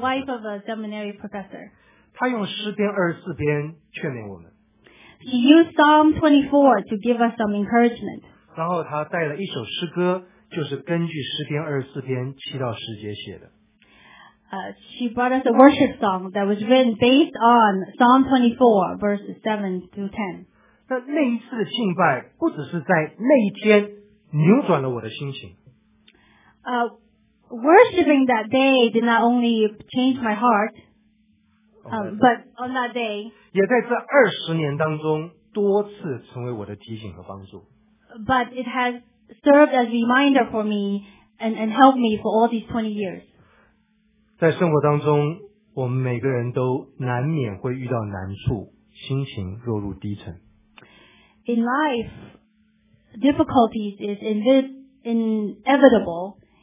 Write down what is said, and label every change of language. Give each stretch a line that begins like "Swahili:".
English: Wife of a seminary professor.
Chinese: 她用诗篇二十四篇劝勉我们。
English: She used Psalm 24 to give us some encouragement.
Chinese: 然后她带了一首诗歌。就是根据诗篇二十四篇七到十节写的。
English: She brought us a worship song that was written based on Psalm 24, verses 7 through 10.
Chinese: 那那一次的敬拜不只是在那一天扭转了我的心情。
English: Worshipping that day did not only change my heart, but on that day,
Chinese: 也在这二十年当中多次成为我的提醒和帮助。
English: But it has served as a reminder for me and helped me for all these 20 years.
Chinese: 在生活当中，我们每个人都难免会遇到难处，心情落入低沉。
English: In life, difficulties is inevitable.